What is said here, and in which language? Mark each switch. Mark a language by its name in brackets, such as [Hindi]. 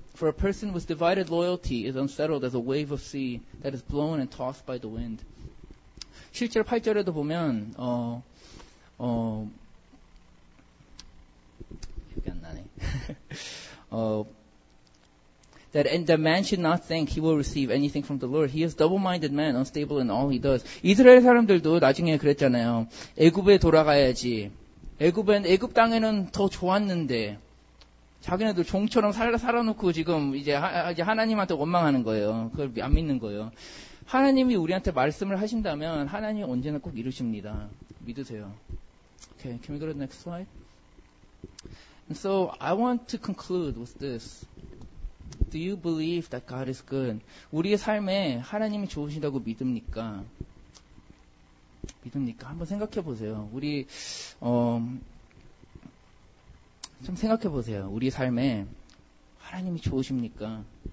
[English] For a person with divided loyalty is unsettled as a wave of sea that is blown and tossed by the wind. [Korean] 7절, 8절에도 보면 기억이 안 나네. [English] That and the man should not think he will receive anything from the Lord. He is double-minded man, unstable in all he does. [Korean] 이스라엘 사람들도 나중에 그랬잖아요. 애굽에 돌아가야지. 애굽 땅에는 더 좋았는데 자기네들 종처럼 살아놓고 지금 이제 하나님한테 원망하는 거예요. 그걸 안 믿는 거예요. 하나님이 우리한테 말씀을 하신다면 하나님이 언제나 꼭 이루십니다. 믿으세요. [English] Okay, can we go to the next slide? And so I want to conclude with this. Do you believe that God is good? [Korean] 우리의 삶에 하나님이 좋으신다고 믿습니까? 믿습니까? 한번 생각해 보세요. 우리 좀 생각해 보세요. 우리 삶에 하나님이 좋으십니까?